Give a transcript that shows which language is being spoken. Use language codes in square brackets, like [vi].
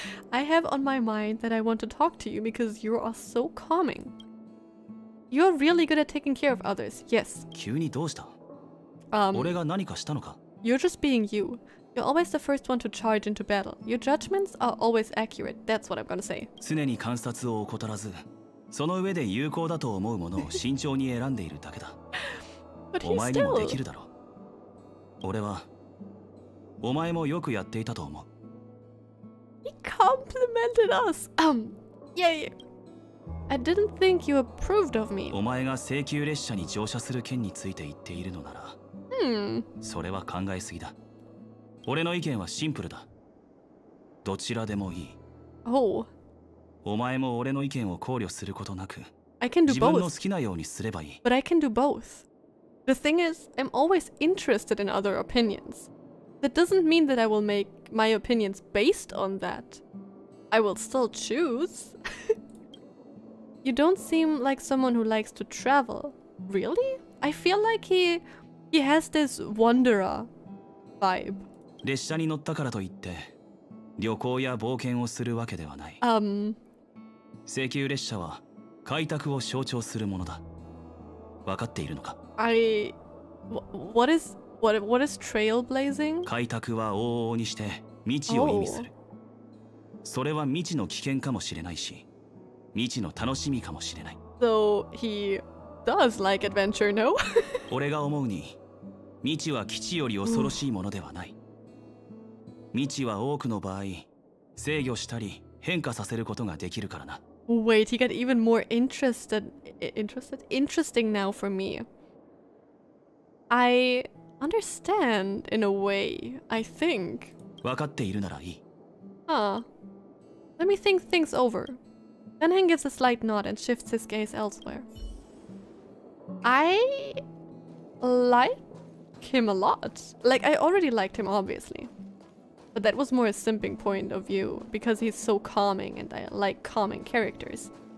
[en] I have on my mind that I want to talk to you because you are so calming. You're really good at taking care of others, yes. [ja] 急にどうした? 俺が何かしたのか? [en] You're just being you. You're always the first one to charge into battle. Your judgments are always accurate, that's what I'm gonna say. [ja] 常に観察を怠らず、その上で有効だと思うものを慎重に選んでいるだけだ。 [en] But he's still... [ja] お前にもできるだろう。俺は、お前もよくやっていたと思う。 [en] He complimented us! Yeah, yeah. I didn't think you approved of me. [ja] お前が請求列車に乗車する件について言っているのなら、それは考えすぎだ。俺の意見はシンプルだ。どちらでもいい。 [en] Oh. [ja] お前も俺の意見を考慮することなく、 [en] I can do both. [ja] 自分の好きなようにすればいい。 [en] But I can do both. The thing is, I'm always interested in other opinions. That doesn't mean that I will make my opinions based on that. I will still choose. You don't seem like someone who likes to travel. Really? I feel like he has this wanderer vibe. [ja] 列車に乗ったからといって、旅行や冒険をするわけではない。請求列車は開拓を象徴するものだ。わかっているのか? [en] What is trailblazing? [ja] 開拓は往々にして未知を意味する。それは未知の危険かもしれないし、未知の楽しみかもしれない。 [en] So he does like adventure, no? [ja] 俺が思うに、未知は基地より恐ろしいものではない。未知は多くの場合、制御したり変化させることができるからな。 [en] Wait, he got even more interested? Interesting now for me. I understand in a way, I think. [ja] 分かっているならいい。 [en] Let me think things over. Denheng gives a slight nod and shifts his gaze elsewhere. I like him a lot. Like, I already liked him, obviously. But that was more a simping point of view because he's so calming and I like calming characters.